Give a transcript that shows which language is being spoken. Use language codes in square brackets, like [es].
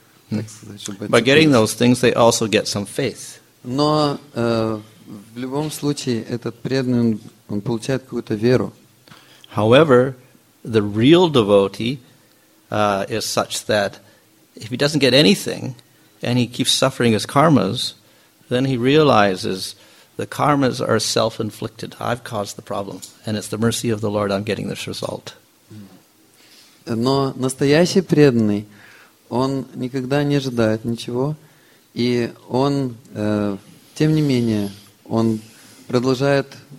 [en] By getting those things, they also get some faith. [ru] Но в любом случае этот преданный он получает какую-то веру. [en] However, the real devotee is such that if he doesn't get anything and he keeps suffering his karmas, then he realizes the karmas are self-inflicted. I've caused the problem, and it's the mercy of the Lord I'm getting this result. [ru] Но настоящий преданный он никогда не ожидает ничего, и он, тем не менее, он продолжает